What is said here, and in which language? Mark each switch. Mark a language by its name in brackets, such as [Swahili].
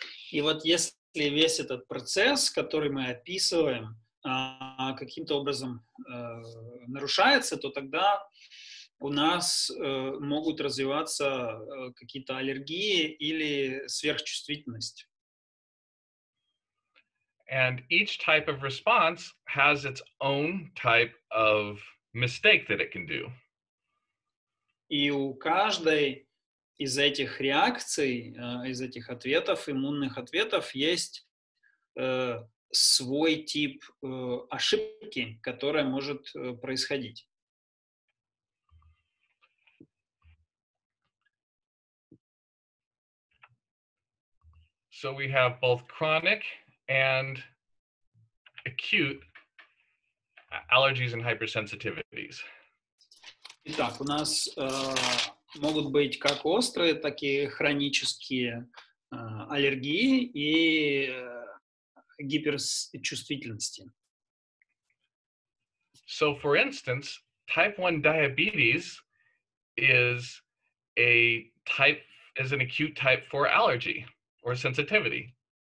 [Russian] И вот если весь этот процесс, который мы описываем, каким-то образом нарушается, то тогда у нас могут развиваться какие-то аллергии или сверхчувствительность. [English] And each type of response has its own type of mistake that it can do. [Russian] И у каждой из этих реакций, из этих ответов, иммунных ответов, есть свой тип ошибки, которая может происходить. [English] So we have both chronic and acute allergies and hypersensitivities. [Russian] Итак, у нас могут быть как острые, так и хронические аллергии и гиперчувствительности. [English] So, for instance, type 1 diabetes is an acute type 4 allergy or sensitivity.